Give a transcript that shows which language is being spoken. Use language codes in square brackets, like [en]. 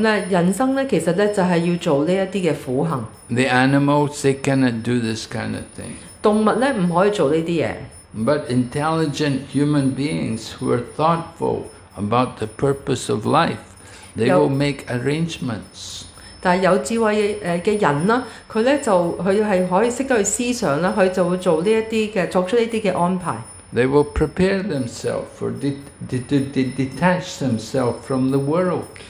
[zh] 人生其实就是要做这些苦行。 [en] The animals, they cannot do this kind of thing. [zh] 动物不可以做这些。 [en] But intelligent human beings who are thoughtful about the purpose of life, they will make arrangements. [zh] 但有智慧的人，他就可以懂得去思想，他就会作出这些安排。 [en] They will prepare themselves for detach themselves from the world.